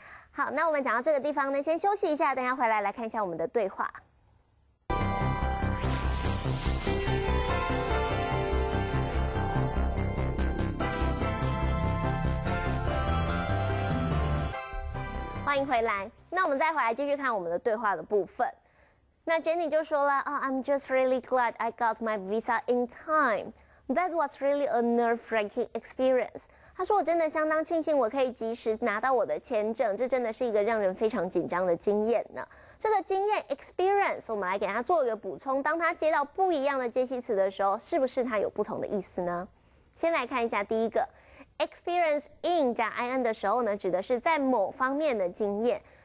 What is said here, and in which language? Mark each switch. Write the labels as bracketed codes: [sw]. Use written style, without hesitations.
[zh] 好，那我们讲到这个地方呢，先休息一下，等一下回来来看一下我们的对话。欢迎回来。那我们再回来继续看我们的对话的部分。 [en] 那 Jenny [zh] 就说了、 [en] oh, I'm just really glad I got my visa in time. That was really a nerve-wracking experience. [zh] 她说我真的相当庆幸我可以及时拿到我的签证，这真的是一个让人非常紧张的经验呢。这个经验 experience 我们来给她做一个补充，当她接到不一样的介系词的时候，是不是她有不同的意思呢？先来看一下第一个 experience in 加 in 的时候呢，指的是在某方面的经验。